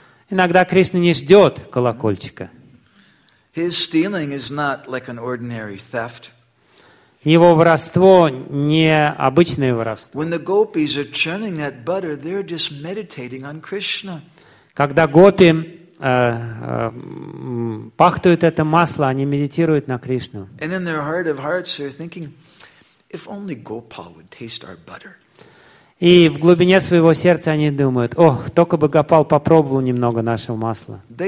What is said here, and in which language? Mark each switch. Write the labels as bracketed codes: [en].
[ru] Иногда Кришна не ждет колокольчика. Его воровство не обычное воровство. Когда гопи пахтают это масло, они медитируют на Кришну. [en] And in their heart of hearts, they're thinking, if only Gopal would taste our butter. [ru] И в глубине своего сердца они думают: «О, только бы Гопал попробовал немного нашего масла».